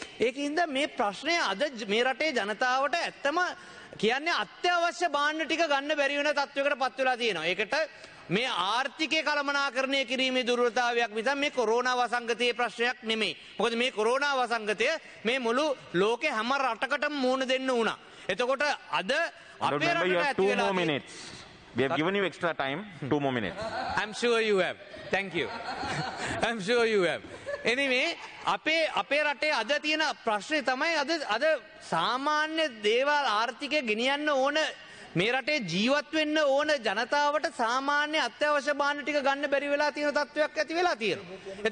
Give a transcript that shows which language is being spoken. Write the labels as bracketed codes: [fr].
[si] ඒකින්ද මේ ප්‍රශ්නේ අද මේ රටේ ජනතාවට ඇත්තම කියන්නේ අත්‍යවශ්‍ය භාණ්ඩ ටික ගන්න බැරි වෙන තත්වයකට පත් වෙලා තියෙනවා. ඒකට මේ ආර්ථිකය කළමනාකරණය කිරීමේ දුර්වලතාවයක් නිසා මේ කොරෝනා වසංගතයේ ප්‍රශ්නයක් නෙමෙයි. මොකද මේ කොරෝනා වසංගතය මේ මුළු ලෝකේ හැම රටකටම මුහුණ දෙන්න උනා. එතකොට අද අපේ රටට ඇති වෙලා [en] We have given you extra time, 2 more minutes. I'm sure you have. Thank you. I'm sure you have. [si] Anyway, අපේ රටේ අද තියෙන ප්‍රශ්නේ තමයි අද සාමාන්‍ය දේවල් ආර්ථිකය ගෙනියන්න ඕන මේ රටේ ජීවත් වෙන්න ඕන ජනතාවට සාමාන්‍ය අත්‍යවශ්‍ය භාණ්ඩ ටික ගන්න බැරි වෙලා තියෙන තත්ත්වයක් ඇති වෙලා තියෙනවා.